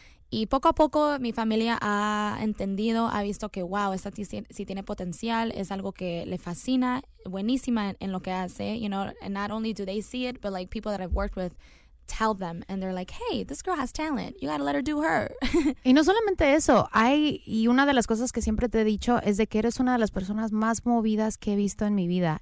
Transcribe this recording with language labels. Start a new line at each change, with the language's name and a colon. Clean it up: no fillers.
Spanish: Y poco a poco mi familia ha entendido, ha visto que, wow, esta sí tiene potencial, es algo que le fascina, buenísima en lo que hace.
English: You know, and not only do they see it, but like people that I've worked with tell them and they're like, hey, this girl has talent, you gotta let her do her.
Spanish: Y no solamente eso, hay, y una de las cosas que siempre te he dicho es de que eres una de las personas más movidas que he visto en mi vida.